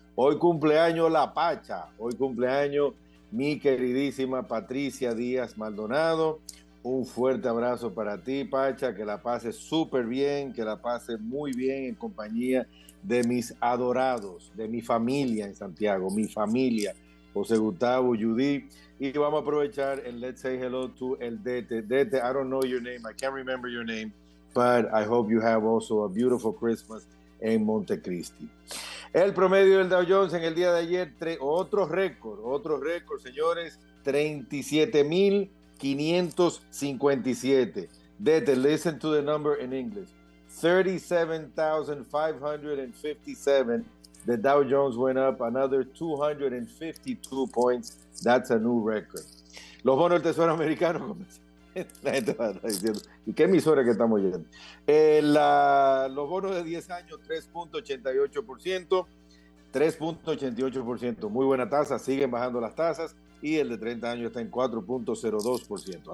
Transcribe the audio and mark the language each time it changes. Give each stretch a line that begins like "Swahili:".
Spanish: Hoy cumpleaños La Pacha, hoy cumpleaños mi queridísima Patricia Díaz Maldonado. Un fuerte abrazo para ti, Pacha, que la pase súper bien, que la pase muy bien en compañía de mis adorados, de mi familia en Santiago, mi familia, José Gustavo, Judy. Y vamos a aprovechar el
English: Let's Say Hello to
Spanish: el Dete.
English: Dete, I don't know your name, I can't remember your name, but I hope you have also a beautiful Christmas en Montecristi.
Spanish: El promedio del Dow Jones en el día de ayer, otro récord, señores, 37,557.
English: Listen to the number in English. 37,557. The Dow Jones went up another 252 points. That's a new record.
Spanish: Los bonos del Tesoro americano comenzaron. La gente va a estar diciendo, ¿y qué emisora que estamos oyendo? Los bonos de 10 años, 3.88%, muy buena tasa, siguen bajando las tasas, y el de 30 años está en 4.02%.